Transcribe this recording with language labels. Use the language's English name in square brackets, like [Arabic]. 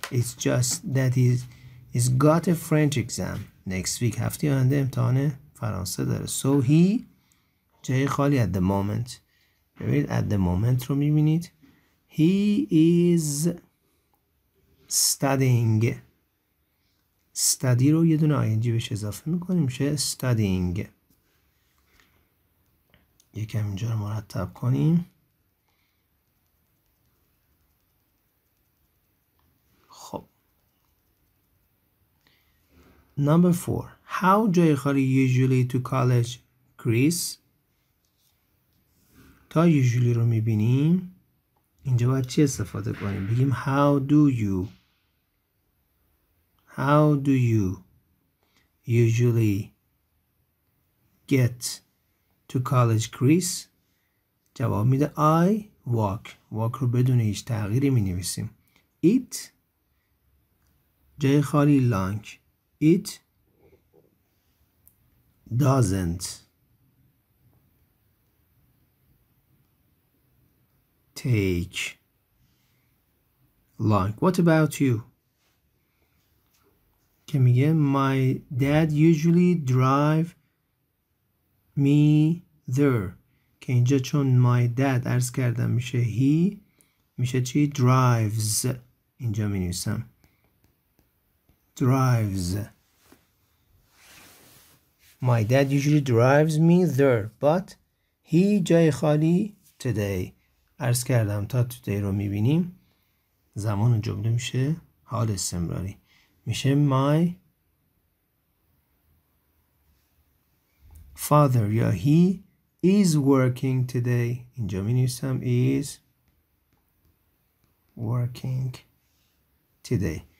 [English] It's just that he's got a French exam next week. [Persian] هفته آینده امتحان فرانسه داره. [English] So he [Persian] جای خالی [English] at the moment. [Persian] ببینید [English] at the moment [Persian] رو میبینید. [English] He is studying. [Persian] Study رو یه دونه ing بهش اضافه میکنیم میشه studying. یکم اینجا رو مرتب کنیم. خب [English] Number 4. How do you call usually to college, Chris? [Persian] تا usually رو میبینیم اینجا باید چی استفاده کنیم؟ بگیم [English] How do you? How do you usually get to college, Chris? [Persian] جواب میده [English] I walk. [Persian] Walk رو بدون هیچ تغییری مینویسیم. [English] It [Persian] جای خالی [English] long. It doesn't take long. What about you? [Persian] که میگه [English] My dad usually drive me there. [Persian] که اینجا چون [English] my dad [Persian] عرض کردم میشه he میشه چی drives. اینجا مینویسم drives. [English] My dad usually drives me there, but he [Persian] جای خالی [English] today. [Persian] عرض کردم تا today رو میبینیم زمان جمله میشه حال استمراری. میشه [English] my father [Persian] یا [English] he is working today. [Persian] اینجا مینویسم [English] is working today.